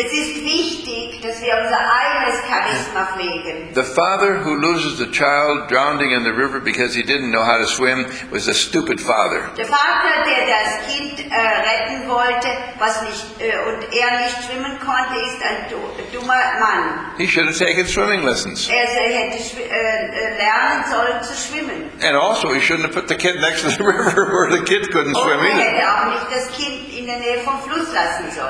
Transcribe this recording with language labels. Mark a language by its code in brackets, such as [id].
[de] Es ist wichtig, dass wir unser eigenes Charisma pflegen. [en] The father who loses the child drowning in the river because he didn't know how to swim was a stupid father. [de] Der Vater, der das Kind retten wollte, was nicht und er nicht schwimmen konnte, ist ein dummer Mann. [en] He should have taken swimming lessons. [de] Er hätte lernen sollen zu schwimmen. [en] And also, he shouldn't have put the kid next to the river where the kid couldn't swim either. [de] Und er hätte auch nicht das Kind in der Nähe vom Fluss lassen sollen.